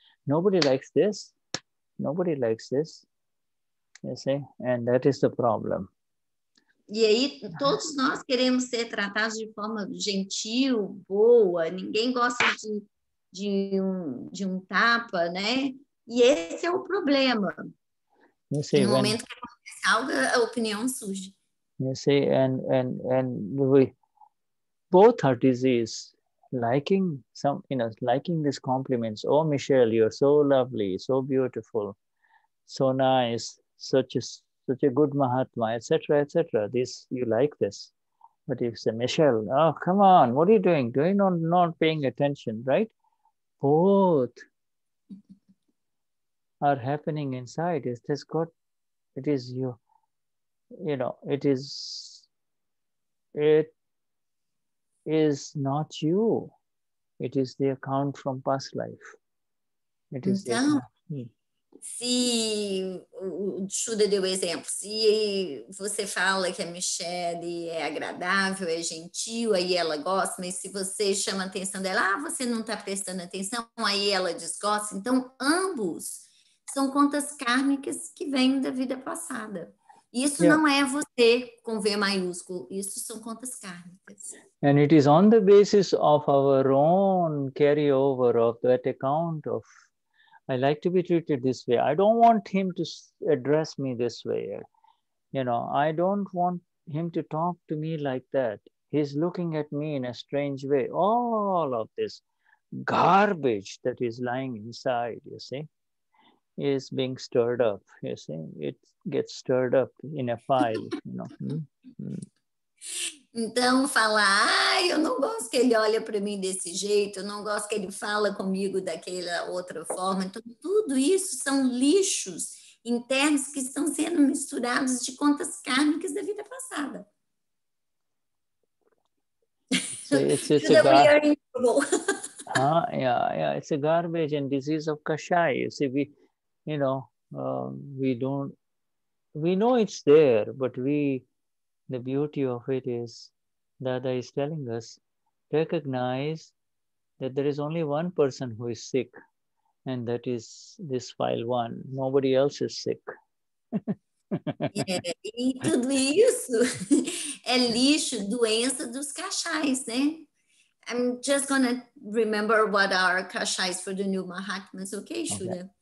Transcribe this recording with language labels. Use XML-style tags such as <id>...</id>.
<en>Nobody likes this, you see, and that is the problem.</en> <pt>E aí, todos nós queremos ser tratados de forma gentil, boa, ninguém gosta de um tapa, né? E esse é o problema.</pt> <en>You see,</en> <pt>no momento que acontece algo, a opinião surge.</pt> <en>You see, and we both are disease. Liking some, you know, liking these compliments. Oh, Michelle, you're so lovely, so beautiful, so nice, such a good Mahatma, etc., etc. This, you like this. But if you say, Michelle, oh, come on, what are you doing? Doing or not paying attention, right? Both are happening inside. Is this God? It is you, you know, it is not you. It is the account from past life. It is</en> <pt>então, se o Shuddha deu o exemplo, se você fala que a Michelle é agradável, é gentil, aí ela gosta, mas se você chama a atenção dela, ah, você não está prestando atenção, aí ela desgosta. Então, ambos são contas kármicas que vêm da vida passada. Isso yeah. não é você com V maiúsculo, isso são contas kármicas.</pt> <en>And it is on the basis of our own carryover of that account of, I like to be treated this way. I don't want him to address me this way. You know, I don't want him to talk to me like that. He's looking at me in a strange way. All of this garbage that is lying inside, you see, is being stirred up, you see. It gets stirred up in a pile, you know.</en> <pt>Então, falar, ah, eu não gosto que ele olha para mim desse jeito, eu não gosto que ele fala comigo daquela outra forma. Então, tudo isso são lixos internos que estão sendo misturados de contas kármicas da vida passada.</pt> <en>It's a garbage. Yeah, it's a garbage and disease of Kashai. You see, we know it's there, but the beauty of it is, Dada is telling us, recognize that there is only one person who is sick, and that is this file one. Nobody else is sick.</en> <pt>É, e tudo isso é lixo, doença dos kashais, né?</pt> <en>I'm just going to remember what are kashais for the new Mahatmas, okay, Shuddha?</en>